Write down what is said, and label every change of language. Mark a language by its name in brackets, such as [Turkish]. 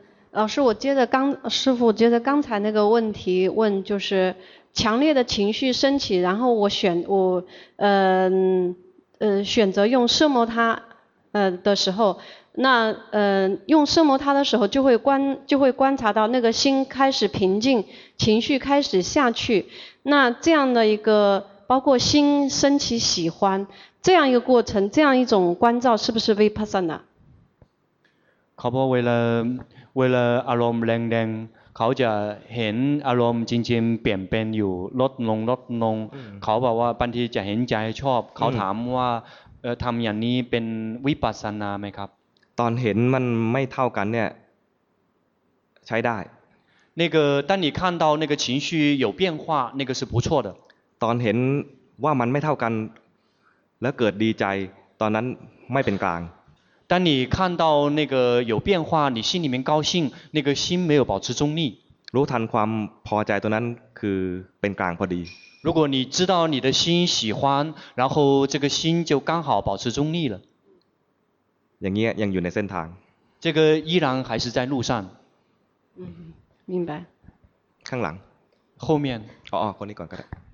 [Chinese] 老师我接着刚师父接着刚才那个问题问就是强烈的情绪升起然后我选择用奢摩他的时候那用奢摩他的时候就会观察到那个心开始平静情绪开始下去那这样的一个包括心升起喜欢这样一个过程这样一种观照是不是 Vipassana? [Thai] เขาบอกเวลาอารมณ์แรงๆเขาจะเห็นอารมณ์จริงๆเปลี่ยนเป็นอยู่ลดลงเขาบอกว่าบางทีจะเห็นใจชอบเขาถามว่าทำอย่างนี้เป็นวิปัสสนาไหมครับ ตอนเห็นมันไม่เท่ากันเนี่ยใช้ได้ [Chinese] 那个当你看到那个情绪有变化那个是不错的 [Thai] ตอนเห็นว่ามันไม่เท่ากันแล้วเกิดดีใจตอนนั้นไม่เป็นกลาง [Chinese] 当你看到那个有变化你心里面高兴那个心没有保持中立 [Thai] รู้ทันความพอใจตัวนั้นคือเป็นกลางพอดี [Chinese] 如果你知道你的心喜欢然后这个心就刚好保持中立了อ [Thai] ย่างเงี้ยยังอยู่ในเส้นทาง [Chinese] 这个依然还是在路上明白 [Thai] ข้างหลัง [Chinese] 后面 [Thai] อ๋อคนนี้ก่อนก็ได้